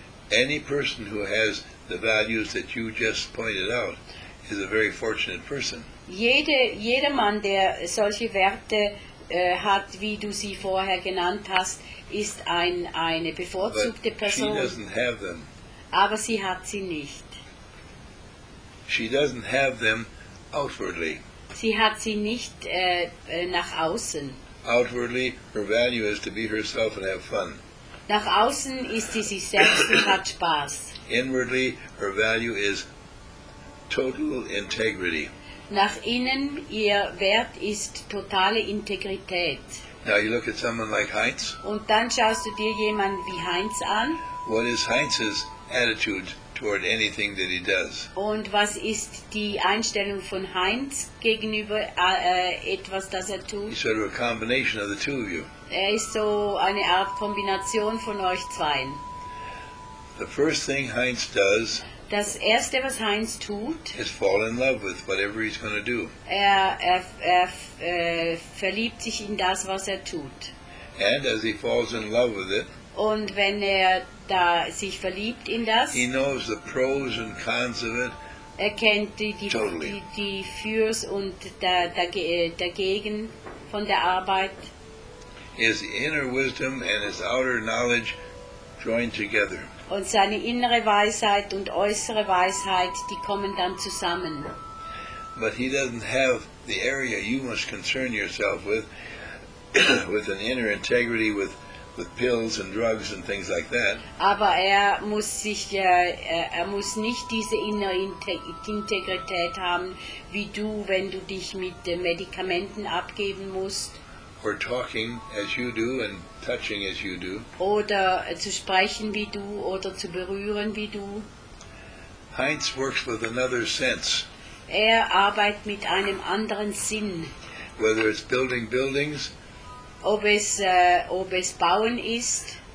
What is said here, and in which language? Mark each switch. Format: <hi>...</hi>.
<en>Any person who has the values that you just pointed out is a very fortunate person.</en> <de>Jeder Mann, der solche Werte hat, wie du sie vorher genannt hast, ist eine bevorzugte Person.</de> <en>But she doesn't have them.</en> <de>Aber sie hat sie nicht.</de> <en>She doesn't have them outwardly.</en> <de>Sie hat sie nicht nach außen.</de> <en>Outwardly, her value is to be herself and have fun.</en> <de>Nach außen ist sie sich selbst und hat Spaß.</de> <en>Inwardly, her value is total integrity.</en> <de>Nach innen, ihr Wert ist totale Integrität.</de> <en>Now you look at someone like Heinz.</en> <de>Und dann schaust du dir jemanden wie Heinz an.</de> <en>What is Heinz's attitude toward anything that he does?</en> <de>Und was ist die Einstellung von Heinz gegenüber etwas, das er tut?</de> <en>He's sort of a combination of the two of you.</en> <de>Er ist so eine Art Kombination von euch zweien.</de> <en>The first thing Heinz does.</en> <de>Das erste, was Heinz tut,</de> <en>is fall in love with whatever he's going to do.</en> <de>Er verliebt sich in das, was er tut.</de> <en>And as he falls in love with it.</en> <de>Und wenn er da sich verliebt in das,</de> <en>he knows the pros and cons of it.</en> <de>Er kennt die Fürs und dagegen von der Arbeit.</de> <en>His inner wisdom and his outer knowledge join together.</en> <de>Und seine innere Weisheit und äußere Weisheit, die kommen dann zusammen.</de> <en>But he doesn't have the area you must concern yourself with. with an inner integrity with pills and drugs and things like that.</en> <de>Aber muss sich muss nicht diese innere Integrität haben wie du, wenn du dich mit Medikamenten abgeben musst.</de> <en>Or talking as you do and touching as you do.</en> <de>Oder zu sprechen wie du oder zu berühren wie du.</de> <en>Heinz works with another sense.</en> <de>Arbeitet mit einem anderen Sinn.</de> <en>Whether it's building buildings.</en> <de>Ob es bauen ist.</de>